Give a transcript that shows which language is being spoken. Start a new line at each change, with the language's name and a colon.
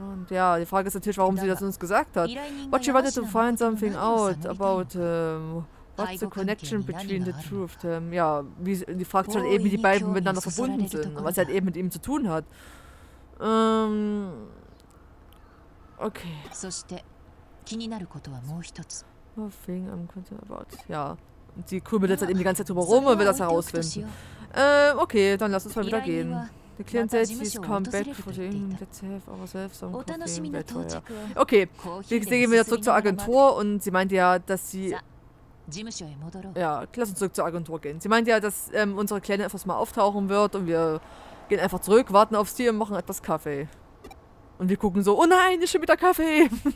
German: Ja, die Frage ist natürlich, warum sie das uns gesagt hat.
English: But she wanted to find something out about... What's the connection between the two of them?
German: Ja, die fragt sich halt eben, wie die beiden miteinander verbunden sind. Was sie halt eben mit ihm zu tun hat. Ja, sie kümmert jetzt halt eben die ganze Zeit drüber rum und will das herausfinden. Okay, dann lass uns mal wieder gehen.
English: The client said he's come back for him. Let's have ourselves some coffee.
German: Okay, wir gehen wieder zurück zur Agentur und sie meinte ja, dass sie... Ja, lass uns zurück zur Agentur gehen. Sie meinte ja, dass unsere Kleine etwas mal auftauchen wird und wir gehen einfach zurück, warten auf sie und machen etwas Kaffee. Und wir gucken so, oh nein, ist schon wieder Kaffee.